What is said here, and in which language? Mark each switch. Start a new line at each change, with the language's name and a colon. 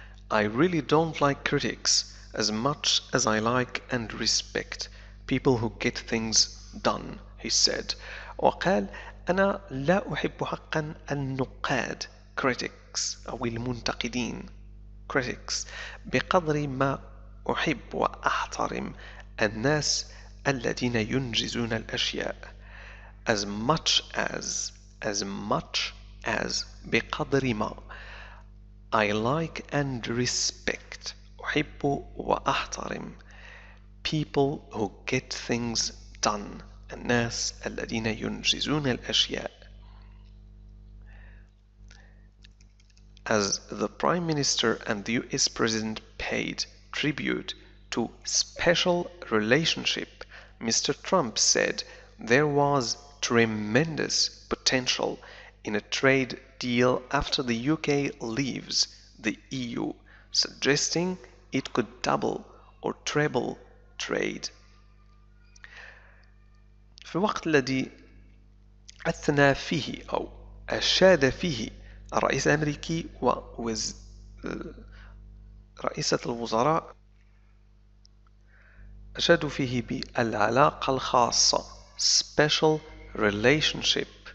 English: I really don't like critics as much as I like and respect people who get things done, he said.
Arabic: وقال أنا لا أحب حقا النقاد, critics, أو المنتقدين, critics, بقدر ما أحب وأحترم الناس الذين ينجزون الأشياء.
English: As much as,
Arabic: بقدر ما.
English: I like and respect,
Arabic: أحب وأحترم,
English: people who get things done,
Arabic: الناس الذين ينجزون الأشياء.
English: As the Prime Minister and the US President paid tribute to special relationship, Mr. Trump said there was tremendous potential in a trade deal after the UK leaves the EU, suggesting it could double or treble trade.
Arabic: في الوقت الذي أثنى فيه أو أشاد فيه الرئيس الأمريكي ورئيسة الوزراء, أشادوا فيه بالعلاقة الخاصة,
English: special relationship.